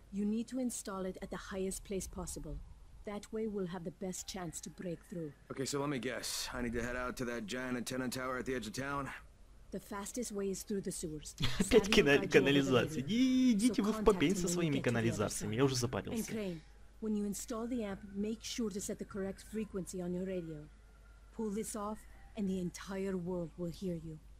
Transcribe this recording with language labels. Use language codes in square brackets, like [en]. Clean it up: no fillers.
[en] You need to install it at the highest place possible. That way we'll have the best chance to break through. Okay, so let me guess. I need to head out to that giant antenna tower at the edge of town? The fastest way is through the sewers. [ru] Опять канализация. Идите вы в попень со своими канализациями. Я уже запарился. [en] And Crane, when you install the amp, make sure to set the correct frequency on your radio. Pull this off, and the entire world will hear you.